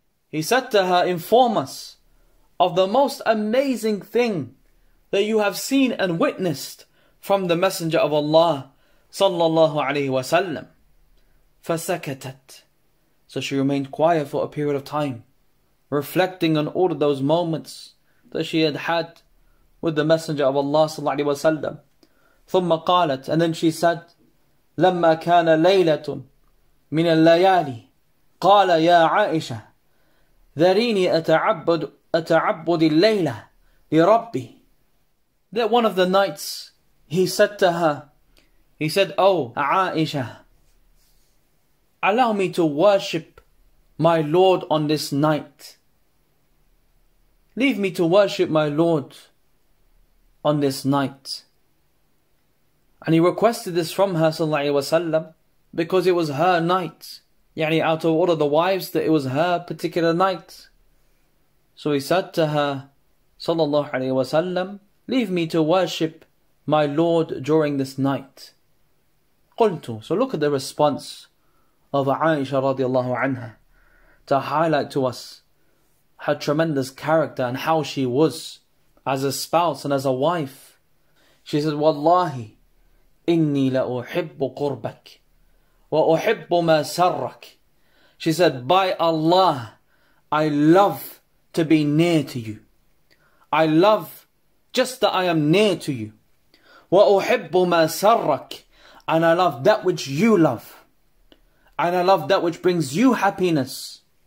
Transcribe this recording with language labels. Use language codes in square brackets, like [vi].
[en] He said to her, inform us of the most amazing thing that you have seen and witnessed from the Messenger of Allah صلى الله عليه وسلم. [ar] فسكتت. [en] So she remained quiet for a period of time, reflecting on all of those moments that she had with the Messenger of Allah sallallahu alaihi wasallam. [ar] ثم قالت, [en] and then she said, [ar] لما كان ليلة من الليالي قال يا عائشة ذريني أتعبد الليلة لربي. [en] That one of the nights he said, Oh Aisha, allow me to worship my Lord on this night. Leave me to worship my Lord on this night. And he requested this from her, sallallahu alayhi wa sallam, because it was her night. Yani out of all of the wives, that it was her particular night. So he said to her, sallallahu alayhi wa sallam, leave me to worship my Lord during this night. [ar] قلتُ. [en] So look at the response of Aisha radiallahu anha to highlight to us her tremendous character and how she was as a spouse and as a wife. She said, [ar] Wallahi, إني لأحب قربك وأحب ما سرك. [en] She said, by Allah, I love to be near to you. I love just that I am near to you. [ar] وأحب ما سرك. [en] And I love that which you love. And I love that which brings you happiness.